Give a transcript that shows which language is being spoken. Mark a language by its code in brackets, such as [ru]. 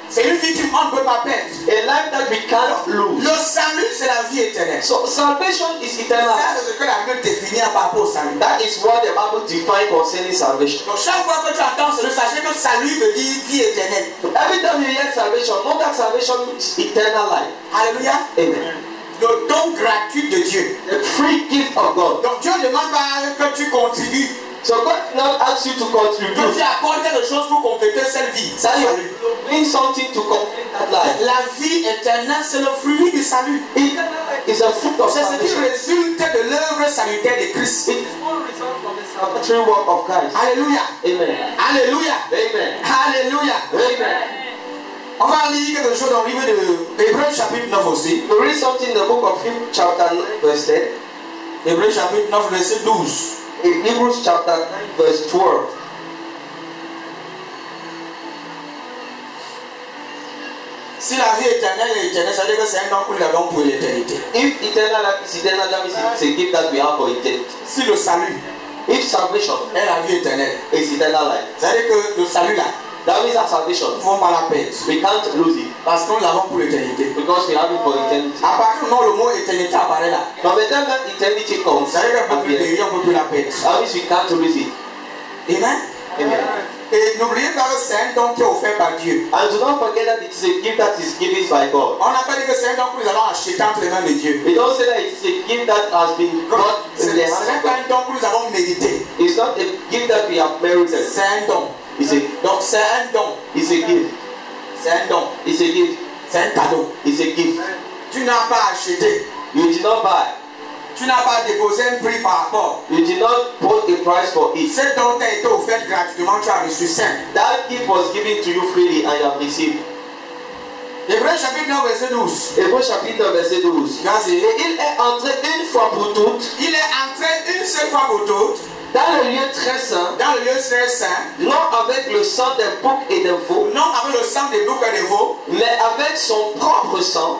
[fr] C'est une vie qu'on ne peut pas perdre. [en] A life that we cannot lose. [fr] Le salut, c'est la vie éternelle. [en] So salvation is eternal. [fr] C'est ce que la Bible définit à propos du salut. [en] That is what the Bible defines concerning salvation. [fr] Donc chaque fois que tu entends ce sachez que salut veut dire vie éternelle. [en] Every time you hear salvation, know that salvation means eternal life. Alléluia. Amen. [fr] Le don gratuit de Dieu. [en] The free gift of God. [fr] Donc Dieu ne demande pas que tu contribues. [en] So God not ask you to contribute. [fr] Que tu apportes quelque chose pour compléter cette vie. [en] Salut. Bring something to complete that life. [fr] La vie éternelle, c'est le fruit du salut. [en] It's a fruit of salvation. [fr] C'est ce qui résulte de l'œuvre salutaire de Christ. [en] It's all result from the true work of Christ. Alléluia. Amen. Alléluia. Amen. Alléluia. Amen. [fr] On va lire quelque chose dans le livre de Hébreux chapitre 9 aussi. [en] We read something in the book of Hebrews chapter 9 verse 10. [fr] Hébreux chapitre 9 verset 12. [en] Hebrews chapter 9 verse 12. [fr] Si la vie éternelle est éternelle, ça veut dire que c'est un don que nous avons pour l'éternité. [en] If eternal life is eternal, that means it's a gift that we have for eternity. [fr] Si le salut, [en] if salvation, [fr] est la vie éternelle, [en] is eternal life. [fr] Ça veut dire que le salut là. [en] That means our salvation. [fr] Nous pouvons pas la perdre. [en] We can't lose it. [fr] Parce qu'on l'avons pour l'éternité. [en] Because we have it for eternity. [fr] À partir du moment où le mot éternité apparaît là. [en] But the time that eternity comes, [fr] ça veut dire qu'on peut plus périr, on peut plus la perdre. [en] That means we can't lose it. Amen. Amen. [fr] Et n'oubliez pas que c'est un don qui est offert par Dieu. [en] And do not forget that it is a gift that is given by God. [fr] On n'a pas dit que c'est un don que nous allons acheter entre les mains de Dieu. [en] We don't say that it is a gift that has been got in the hands of God. [fr] C'est pas un don que nous avons mérité. [en] It's not a gift that we have merited. [fr] C'est un don. Donc c'est un don. [en] It's a gift. [fr] C'est un don. [en] It's a gift. [fr] C'est un cadeau. [en] It's a gift. [fr] Tu n'as pas acheté. [en] You did not buy. [fr] Tu n'as pas déposé un prix par rapport. [en] You did not put a price for it. [fr] Cet don t'a été offert gratuitement, tu as reçu saint. [en] That gift was given to you freely and you have received. [fr] Hébreux chapitre 9 verset 12. Et il est entré une fois pour toutes. Il est entré une seule fois pour toutes. Dans le lieu très saint, dans le lieu très saint, non avec le sang des boucs et des veaux, non avec le sang des boucs et des veaux, mais avec son propre sang,